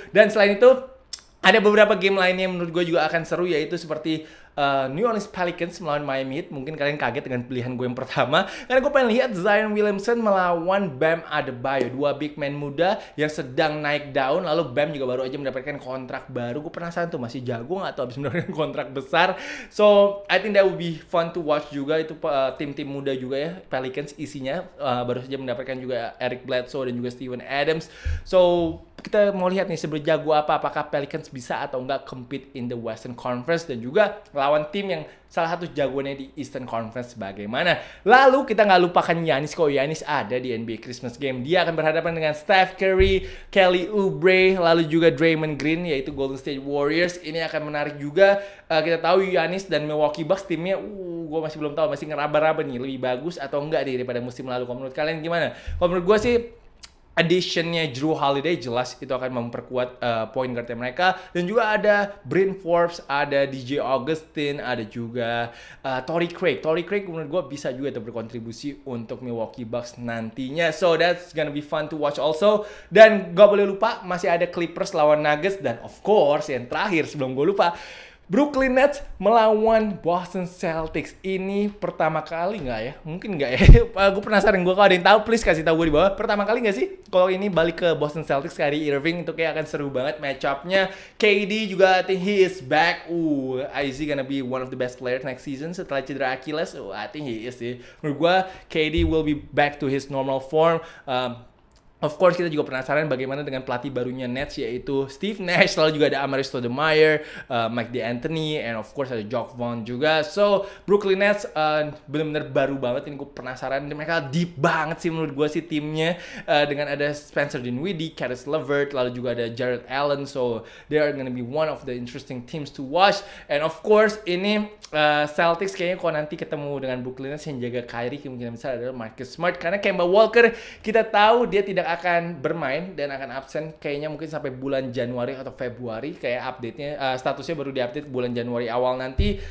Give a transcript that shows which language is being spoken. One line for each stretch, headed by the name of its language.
Indonesian: Dan selain itu ada beberapa game lainnya yang menurut gue juga akan seru, yaitu seperti New Orleans Pelicans melawan Miami Heat. Mungkin kalian kaget dengan pilihan gue yang pertama, karena gue pengen lihat Zion Williamson melawan Bam Adebayo, dua big man muda yang sedang naik daun. Lalu Bam juga baru aja mendapatkan kontrak baru. Gue penasaran tuh masih jago gak atau abis mendapatkan kontrak besar.
English: So I think that would be fun to watch juga.
Indonesian: Itu tim-tim muda juga ya Pelicans isinya, baru saja mendapatkan juga Eric Bledsoe dan juga Steven Adams. So kita mau lihat nih seberapa jago apa, apakah Pelicans bisa atau enggak
English: compete in the Western Conference
Indonesian: dan juga lawan tim yang salah satu jagoannya di Eastern Conference bagaimana. Lalu kita nggak lupakan Giannis. Kalau Giannis ada di NBA Christmas Game, dia akan berhadapan dengan Steph Curry, Kelly Oubre, lalu juga Draymond Green, yaitu Golden State Warriors. Ini akan menarik juga. Kita tahu Giannis dan Milwaukee Bucks timnya, gue masih belum tahu, masih ngeraba-raba nih lebih bagus atau enggak nih daripada musim lalu. Kalau menurut kalian gimana? Kalau menurut gue sih additionnya Jrue Holiday jelas itu akan memperkuat point guard mereka, dan juga ada Bryn Forbes, ada DJ Augustin, ada juga Torrey Craig. Torrey Craig menurut gue bisa juga itu berkontribusi untuk Milwaukee Bucks nantinya.
English: So that's gonna be fun to watch also.
Indonesian: Dan gak boleh lupa masih ada Clippers lawan Nuggets, dan of course yang terakhir sebelum gue lupa, Brooklyn Nets melawan Boston Celtics. Ini pertama kali nggak ya? Mungkin nggak ya? Gue penasaran, gue kalau ada yang tahu please kasih tahu gue di bawah. Pertama kali nggak sih kalau ini balik ke Boston Celtics, Kyrie Irving? Itu kayak akan seru banget matchupnya. KD juga
English: I think he is back. Is he gonna be one of the best players next season
Indonesian: setelah cedera Achilles?
English: I think he is sih.
Indonesian: Menurut gue
English: KD will be back to his normal form.
Indonesian: Of course kita juga penasaran bagaimana dengan pelatih barunya Nets, yaitu Steve Nash. Lalu juga ada Amar'e Stoudemire, Mike D'Antoni, and of course ada Jock Vaughn juga. So Brooklyn Nets benar-benar baru banget ini, gue penasaran. Mereka deep banget sih menurut gue sih timnya, dengan ada Spencer Dinwiddie, Caris LeVert, lalu juga ada Jared Allen.
English: So they are gonna be one of the interesting teams to watch.
Indonesian: And of course ini Celtics kayaknya kalau nanti ketemu dengan Brooklyn Nets, yang jaga Kyrie kemungkinan besar adalah Marcus Smart, karena Kemba Walker kita tahu dia tidak yang akan bermain dan akan absen kayaknya mungkin sampai bulan Januari atau Februari, kayak update-nya statusnya baru diupdate bulan Januari awal nanti.